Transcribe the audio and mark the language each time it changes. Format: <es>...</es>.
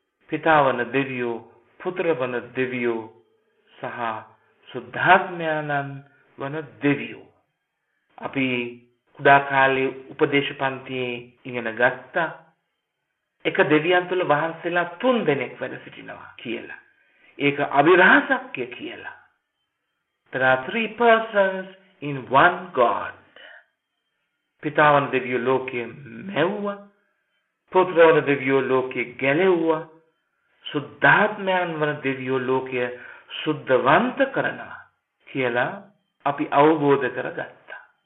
<si>පිතාවන දෙවියෝ, පුත්‍රවන දෙවියෝ සහ සුද්ධාත්මයානන් වන දෙවියෝ. අපි කුඩා කාලේ උපදේශ පන්තියේ ඉගෙන ගත්තා එක දෙවියන් තුළ වහන්සේලා 3 දෙනෙක් වැඩ සිටිනවා කියලා. ඒක අභිරහසක්ය කියලා.</si> <en>There are 3 persons in 1 God.</en> <si>පිතාවන දෙවියෝ ලෝකයේ මැව්වා, පුත්‍රවන දෙවියෝ ලෝකයේ ගැලෙව්වා, සුද්ධාත්මයන් වන දෙවියෝ ලෝකය සුද්ධවන්ත කරනවා කියලා අපි අවබෝධ කරගත්තා.</si>